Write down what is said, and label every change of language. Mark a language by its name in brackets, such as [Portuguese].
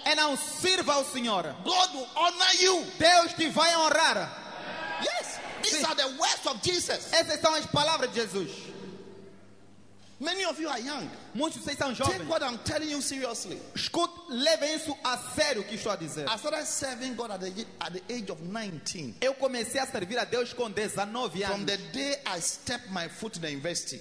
[Portuguese] E não sirva ao Senhor. [English] God will honor you. [Portuguese] Deus te vai honrar. [English] Yes. These [Portuguese] Sim. [English] are the words of Jesus. [Portuguese] Essas são as palavras de Jesus. [English] Many of you are young. [Portuguese] Muitos de vocês são jovens. [English] Take what I'm telling you seriously. [Portuguese] Escute, leve isso a sério o que estou a dizer. [English] I started serving God at the age of 19. [Portuguese] Eu comecei a servir a Deus com 19 anos. [English] From the day I stepped my foot in the university.